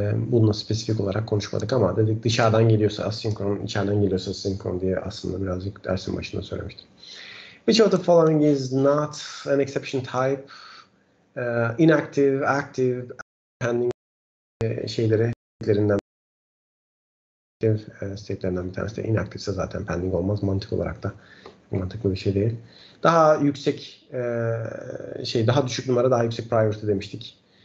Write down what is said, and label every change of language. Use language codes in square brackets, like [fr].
[tr] Bununla spesifik olarak konuşmadık ama dedik dışarıdan geliyorsa asinkron, içeriden geliyorsa sinkron diye aslında birazcık dersin başında söylemiştim. [en] Which of the following is not an exception type? [tr] Inactive, active, pending şeyleri state'lerinden state'lerinden bir tanesi de inactive'se zaten pending olmaz. Mantık olarak da mantıklı bir şey değil. Daha yüksek şey, daha düşük numara daha yüksek priority demiştik.